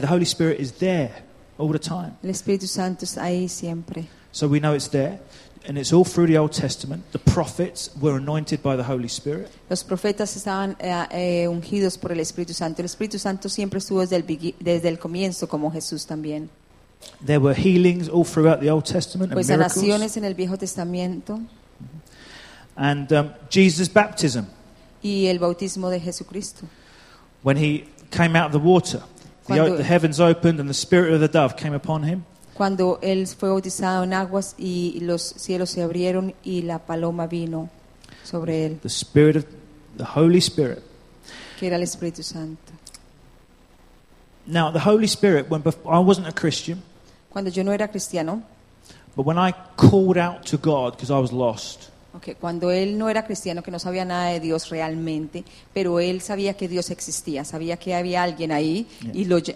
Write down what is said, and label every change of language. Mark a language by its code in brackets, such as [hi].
[en] The Holy Spirit is there all the time. [es] El Espíritu Santo está ahí siempre. [en] So we know it's there. And it's all through the Old Testament. The prophets were anointed by the Holy Spirit. [es] Los profetas estaban ungidos por el Espíritu Santo. El Espíritu Santo siempre estuvo desde el comienzo, como Jesús también. [en] There were healings all throughout the Old Testament and miracles. [es] Pues sanaciones en el Viejo Testamento. [en] And Jesus' baptism. [es] Y el bautismo de Jesucristo. [en] When he came out of the water, the heavens opened and the Spirit of the Dove came upon him. [es] Cuando él fue bautizado en aguas y los cielos se abrieron y la paloma vino sobre él. [en] The Spirit of the Holy Spirit. [es] Que era el Espíritu Santo. [en] Now the Holy Spirit, when I wasn't a Christian. [es] Cuando yo no era cristiano. [en] But when I called out to God because I was lost. [es] Okay, cuando él no era cristiano, que no sabía nada de Dios realmente, pero él sabía que Dios existía, sabía que había alguien ahí, yeah.